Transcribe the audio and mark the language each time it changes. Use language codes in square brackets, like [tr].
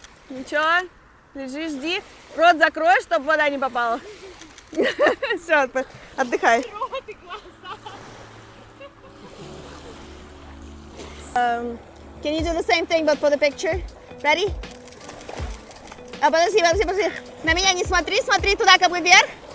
[ru] Ничего, лежи, жди, рот закрой, чтобы вода не попала, все, отдыхай. Рот и глаза. [en] Can you do the same thing, but for the picture? Ready? [ru] Подожди, на меня не смотри, смотри туда, как бы вверх.